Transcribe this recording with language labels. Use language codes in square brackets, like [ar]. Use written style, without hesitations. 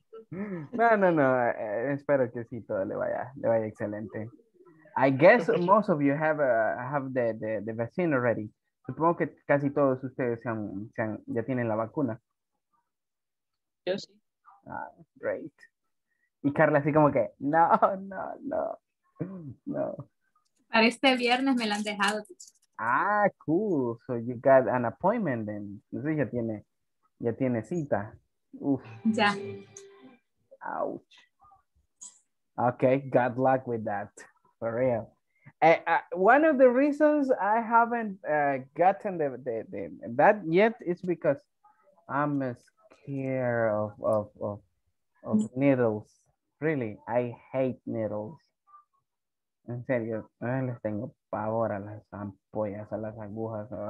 [es] No, espero que sí, todo le vaya excelente. [en] I guess most of you have the vaccine already. [es] Supongo que casi todos ustedes ya tienen la vacuna. Yo sí. [en] Ah, great. [es] Y Carla así como que, no. Para este viernes me la han dejado. [en] Ah, cool. So you got an appointment then. [es] No sé, ya tiene cita. Uf. Ya. [en] Ouch. Okay, good luck with that. For real. One of the reasons I haven't gotten the that yet is because I'm scared of needles. Really, I hate needles. [es] En serio, les tengo pavor a las ampollas, a las agujas.